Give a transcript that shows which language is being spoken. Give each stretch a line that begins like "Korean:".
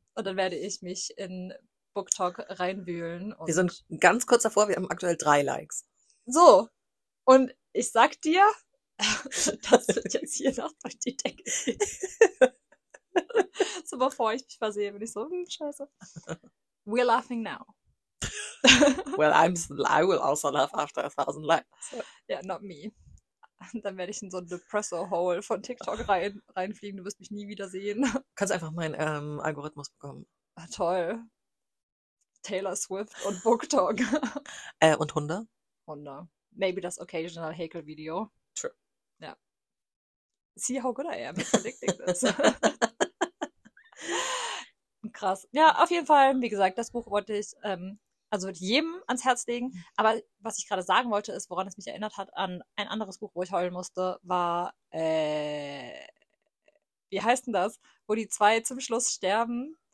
German: Und dann werde ich mich in BookTok reinwühlen. Wir sind ganz kurz davor, wir haben aktuell 3 Likes. So. Und ich sag dir, das wird jetzt hier noch durch die Decke. So, bevor ich mich versehe, bin ich so, scheiße.
English: We're laughing now. Well, I will also laugh after 1000 likes. Yeah, not me.
German: Dann werde ich in so ein Depressor-Hole von TikTok reinfliegen. Du wirst mich nie wieder sehen. Du kannst einfach meinen Algorithmus bekommen. Ah, toll. Taylor Swift und BookTok. Und Hunde? Hunde. Maybe das occasional Häkel-Video.
English: True.
German: Ja.
English: See how good I am at predicting this.
German: Krass. Ja, auf jeden Fall, wie gesagt, das Buch wollte ich also mit jedem ans Herz legen. Aber was ich gerade sagen wollte, ist, woran es mich erinnert hat an ein anderes Buch, wo ich heulen musste, war, wie heißt denn das? Wo die zwei zum Schluss sterben.